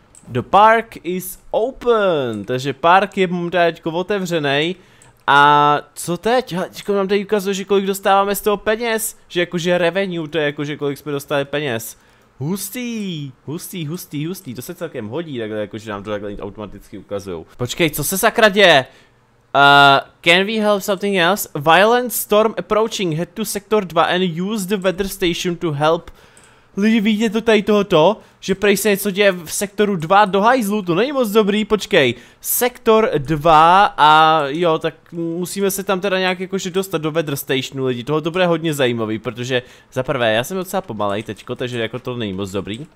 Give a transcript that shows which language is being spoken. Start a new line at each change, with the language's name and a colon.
English: The park is open,
Czech: takže park je momentálně otevřený. A co teď? Teďko nám tady ukazuje, že kolik dostáváme z toho peněz. Že jakože revenue, to je jakože kolik jsme dostali peněz. Hustý, hustý, hustý, hustý, to se celkem hodí, takhle jakože nám to takhle automaticky ukazují. Počkej, co se sakra děje?
English: Can we help something else? Violent storm approaching, head to sector 2 and use the weather station to help.
Czech: Lidi, vidíte to tady tohoto? Že prej se něco děje v sektoru 2 do hajzlu, to není moc dobrý, počkej. Sektor 2 a jo, tak musíme se tam teda nějak jakože dostat do weather stationu, lidi. Tohle to bude hodně zajímavý, protože za prvé, já jsem docela pomalej teďko, takže jako to není moc dobrý.